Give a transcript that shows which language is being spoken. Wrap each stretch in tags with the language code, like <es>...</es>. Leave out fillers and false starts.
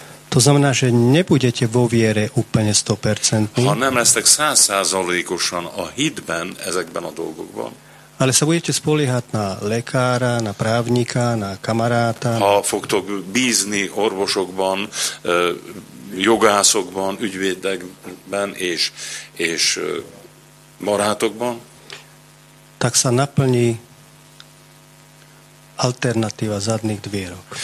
<sk>To znamená, že nebudete vo viere úplne 100%.</sk> <hu>Ha nem lesztek 100%-osan a hitben ezekben a dolgokban.</hu> <sk>Ale sa budete spoliehať na lekára, na právnika, na kamaráta.</sk> <hu>Ha fogtok bízni orvosokban, jogászokban, ügyvédekben és barátokban.</hu> <sk>Tak sa naplní alternatíva zadných dvierok.</sk>